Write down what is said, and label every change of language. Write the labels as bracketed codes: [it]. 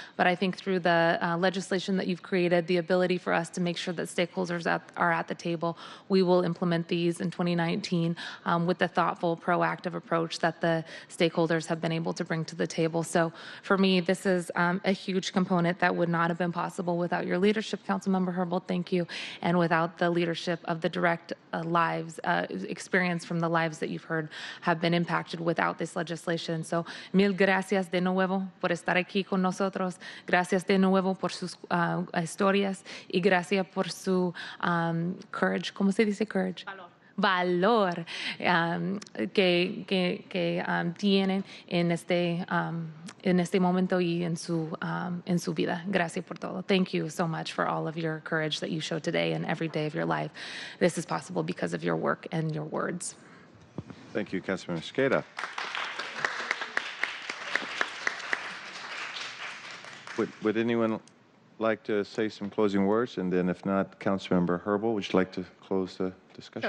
[en] But I think through the legislation that you've created, the ability for us to make sure that stakeholders are at the table, we will implement these in 2019 with the thoughtful, proactive approach that the stakeholders have been able to bring to the table. So for me, this is a huge component that would not have been possible without your leadership, Councilmember Herbold. Thank you. And without the leadership of the direct lives, experience from the lives that you've heard have been impacted without this legislation. [es] So, mil gracias de nuevo por estar aquí con nosotros. Gracias de nuevo por sus historias. Y gracias por su courage. ¿Cómo se dice courage? Valor. Que tienen en este momento y en su vida. Gracias por todo. [en] Thank you so much for all of your courage that you show today and every day of your life. This is possible because of your work and your words. Thank you, Councilmember Mosqueda. Would anyone like to say some closing words? And then if not, Councilmember Herbold, would you like to close the discussion?